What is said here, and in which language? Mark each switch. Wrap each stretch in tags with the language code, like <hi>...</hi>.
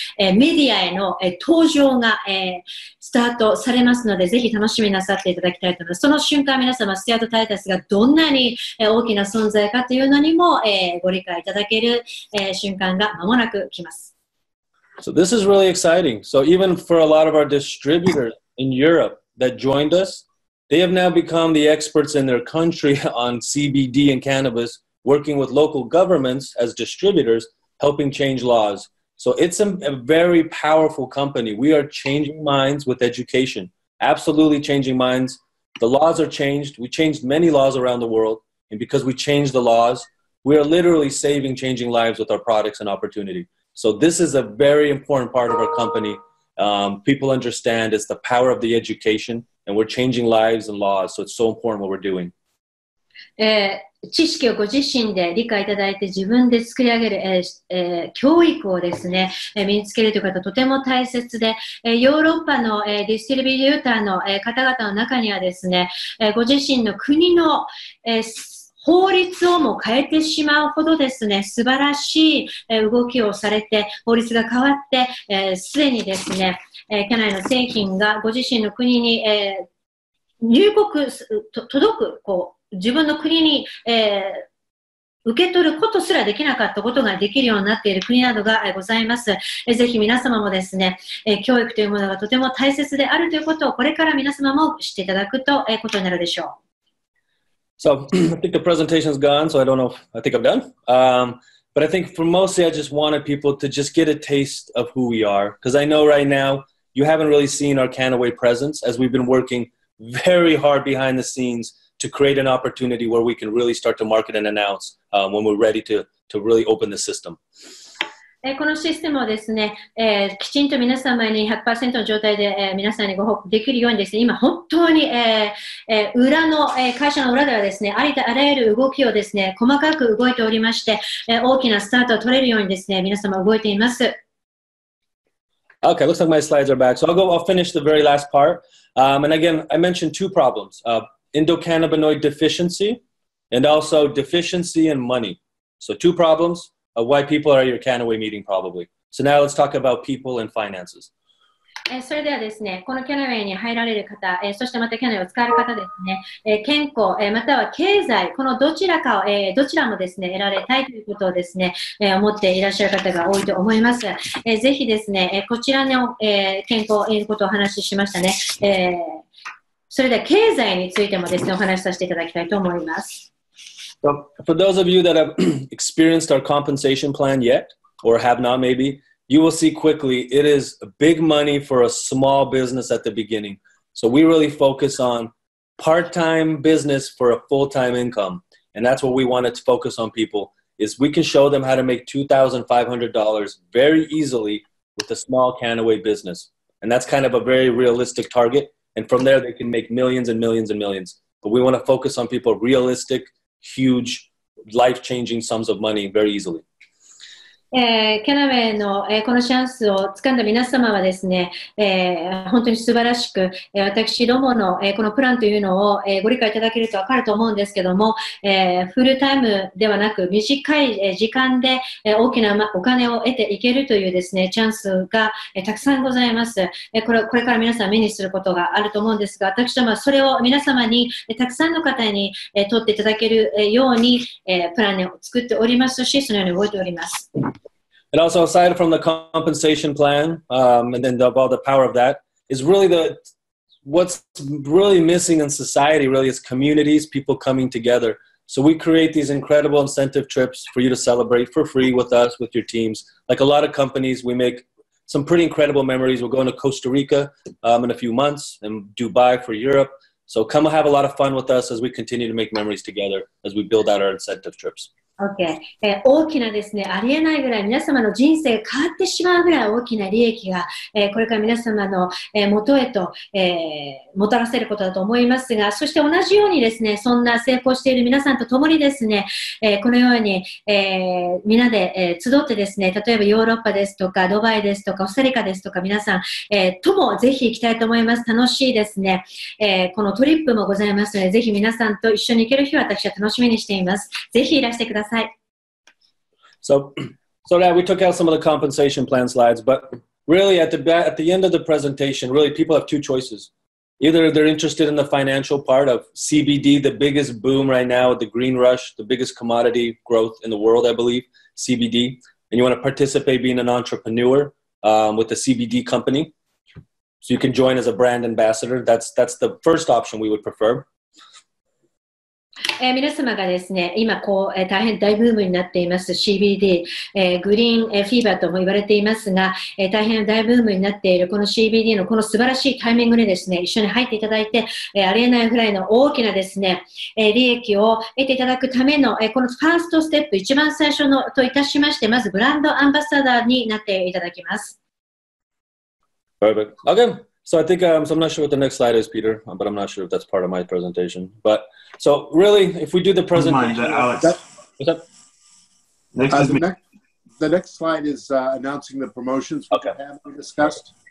<ja>メディアへの、登場がスタートされますので、ぜひ楽しみなさっていただきたいと思います。その瞬間、皆様、スティアート・タイタスがどんなに大きな存在かというのにも、ご理解いただける、瞬間が間もなく来ます。</ja> <en>So this is really exciting. So even for a lot of our distributors in Europe that joined us, they have now become the experts in their country on CBD and cannabis, working with local governments as distributors, helping change laws. So it's a very powerful company. We are changing minds with education, absolutely changing minds. The laws are changed. We changed many laws around the world. And because we changed the laws, we are literally saving, changing lives with our products and opportunity. So this is a very important part of our company. People understand it's the power of the education and we're changing lives and laws. So it's so important what we're doing.</en> <ja>知識をご自身で理解いただいて自分で作り上げる、教育をですね、身につけるという方はとても大切で、ヨーロッパの、ディストリビューターの、方々の中にはですね、ご自身の国の、法律をも変えてしまうほどですね、素晴らしい、動きをされて、法律が変わって、すでにですね、キャナイの製品がご自身の国に、入国、届く、こう、自分の国に、受け取ることすらできなかったことができるようになっている国などがございます。ぜひ皆様もですね、教育というものがとても大切であるということをこれから皆様も知っていただくと、ことになるでしょう。</ja> <en>So, I think the presentation is gone, so I don't know if I think I'm done. But I think for mostly I just wanted people to just get a taste of who we are. Because I know right now you haven't really seen our Kannaway presence as we've been working very hard behind the scenes. To create an opportunity where we can really start to market and announce when we're ready to really open the system.</en> <ja>このシステムをですね、きちんと皆様に 100% の状態で、皆さんにご報告できるようにですね、今本当に、裏の、会社の裏ではですね、ありとあらゆる動きをですね、細かく動いておりまして、大きなスタートを取れるようにですね、皆様動いています。</ja> <en>Okay, looks like my slides are back. So I'll finish the very last part. And again, I mentioned two problems. Endocannabinoid deficiency and also deficiency in money. So two problems of why people are at your Kannaway meeting probably. So now let's talk about people and finances.</en> <ja>それではですね、このキャナウェイに入られる方、そしてまたキャナウェイを使える方ですね、健康、または経済、このどちらかを、どちらもですね、得られたいということをですね、思っていらっしゃる方が多いと思います。ぜひですね、こちらの、健康、ということをお話ししましたね。それでは経済についてもですね、お話しさせていただきたいと思います。</ja> <en>So, for those of you that have experienced our compensation plan yet, or have not maybe, you will see quickly, it is big money for a small business at the beginning. So we really focus on part-time business for a full-time income. And that's what we wanted to focus on people, is we can show them how to make $2,500 very easily with a small Kannaway business. And that's kind of a very realistic target. And from there, they can make millions and millions and millions. But we want to focus on people realistic, huge, life-changing sums of money very easily.</en> <ja>キャナウェイの、このチャンスをつかんだ皆様はですね、本当に素晴らしく、私どもの、このプランというのを、ご理解いただけると分かると思うんですけども、フルタイムではなく短い、時間で、大きな、お金を得ていけるというですね、チャンスが、たくさんございます、これから皆さん目にすることがあると思うんですが私どもはそれを皆様に、たくさんの方に、取っていただける、ように、プランを作っておりますしそのように動いております</ja> <en>And also aside from the compensation plan, and then of all the power of that, is really the, what's really missing in society really is communities, people coming together. So we create these incredible incentive trips for you to celebrate for free with us, with your teams. Like a lot of companies, we make some pretty incredible memories. We're going to Costa Rica in a few months and Dubai for Europe. So come have a lot of fun with us as we continue to make memories together as we build out our incentive trips. Okay.</en> <ja>大きなですね、ありえないぐらい皆様の人生が変わってしまうぐらい大きな利益が、これから皆様の、元へと、もたらせることだと思いますが、そして同じようにですね、そんな成功している皆さんと共にですね、このように、みんなで、集ってですね、例えばヨーロッパですとか、ドバイですとか、コスタリカですとか、皆さん、ともぜひ行きたいと思います。楽しいですね、このトリップもございますので、ぜひ皆さんと一緒に行ける日は私は楽しみにしています。ぜひいらしてください。</ja> <en>So yeah, we took out some of the compensation plan slides, but really at the end of the presentation, really people have two choices. Either they're interested in the financial part of CBD, the biggest boom right now, the green rush, the biggest commodity growth in the world, I believe, CBD, and you want to participate being an entrepreneur with a CBD company. So you can join as a brand ambassador. That's the first option we would prefer.</en> <ja>皆様がですね、今こう、大変大ブームになっています CBD、グリーン、フィーバーとも言われていますが、大変大ブームになっているこの CBD のこの素晴らしいタイミングにですね、一緒に入っていただいて、ありえないぐらいの大きなですね、利益を得ていただくための、このファーストステップ、一番最初のといたしまして、まずブランドアンバサダーになっていただきます。</ja> <en>Perfect. Again, so I think, so I'm not sure what the next slide is, Peter, but I'm not sure if that's part of my presentation, but... So really, if we do the presentation, the next slide is announcing the promotions we have discussed.</en>